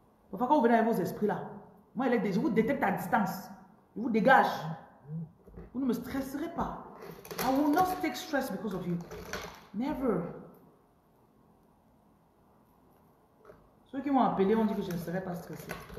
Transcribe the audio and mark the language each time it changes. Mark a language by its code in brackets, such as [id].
[fr] Pourquoi vous venez avec vos esprits là? Moi, elle est déjà, je vous détecte à distance. Je vous dégage. Vous ne me stresserez pas. [en] I will not take stress because of you. Never. [fr] Ceux qui m'ont appelé ont dit que je ne serai pas stressé.